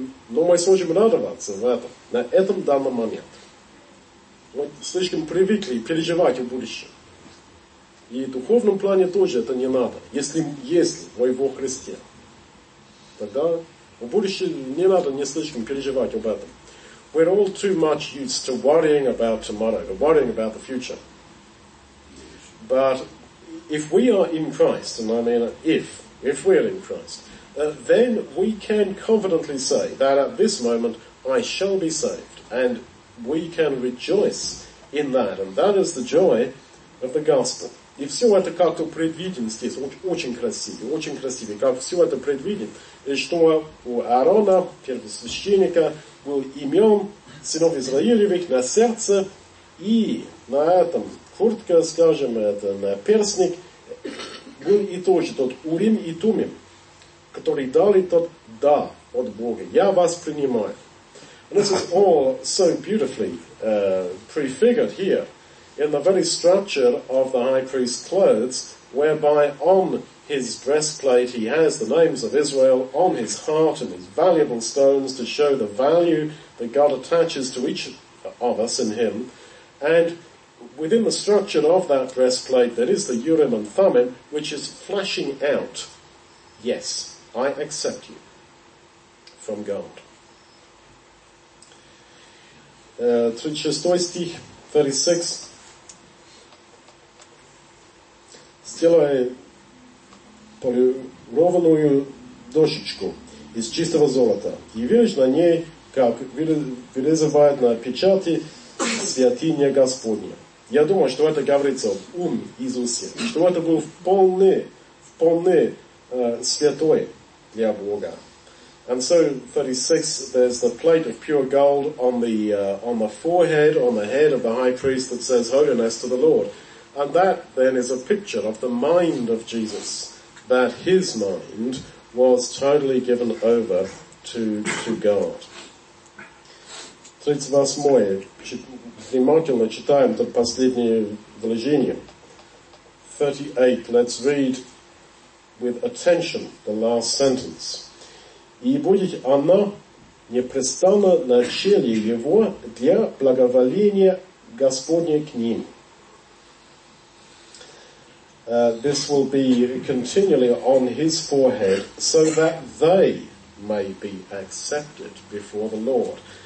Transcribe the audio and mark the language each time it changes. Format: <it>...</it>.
<ru>Но мы сможем радоваться в этом, на этом данном моменте. Вот слишком привыкли переживать в будущем. И в духовном плане тоже это не надо. Если мы во Христе, тогда в будущем не надо не слишком переживать об этом.</ru> <en>We're all too much used to worrying about tomorrow, to worrying about the future. But if we are in Christ, and I mean if we are in Christ, then we can confidently say that at this moment I shall be saved, and we can rejoice in that, and that is the joy of the gospel.</en> <ru>И все это как-то предвидено здесь, очень красиво, как все это предвидено, что у Аарона, первосвященника, был имен сынов Израилевых на сердце, и на этом куртка, скажем, это на перстник, был и тоже тот Урим и Тумим, который дали тот «да» от Бога. «Я вас принимаю».</ru> <en>And this is all so beautifully prefigured here in the very structure of the high priest's clothes, whereby on his breastplate he has the names of Israel, on his heart and his valuable stones to show the value that God attaches to each of us in him. And within the structure of that breastplate, there is the Urim and Thummim, which is flashing out, yes, I accept you from God. 36.</en> <ru>Сделай полированную дощечку из чистого золота и вяжь на ней, как вырезывают на печати святыня Господня. Я думаю, что это говорится об Иисусе, что это был вполне святой для Бога.</ru> <en>And so, 36, there's the plate of pure gold on the forehead, on the head of the high priest that says, Holiness to the Lord. And that, then, is a picture of the mind of Jesus, that his mind was totally given over to God. 38.</en> <ru>Внимательно читаем это последнее вложение.</ru> <en>38. Let's read with attention the last sentence.</en> <ru>И будет она непрестанно на челе его для благоволения Господня к ним.</ru> <en>This will be continually on his forehead, so that they may be accepted before the Lord.</en>